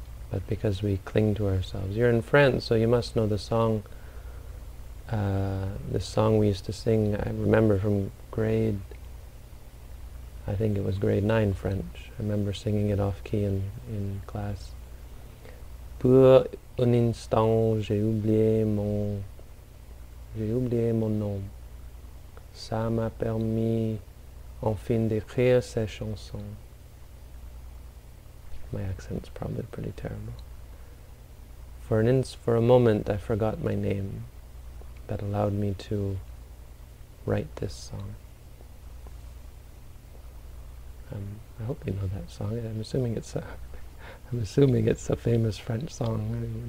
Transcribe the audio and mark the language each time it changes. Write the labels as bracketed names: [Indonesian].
[English] But because we cling to ourselves. You're in France, so you must know the song. The song we used to sing, I remember from grade 9 French. I remember singing it off-key in class. [French] Pour un instant, j'ai oublié mon nom. Ça m'a permis, enfin, d'écrire ces chansons. [English] My accent's probably pretty terrible. For a moment, I forgot my name. That allowed me to write this song. I hope you know that song. I'm assuming it's a famous French song.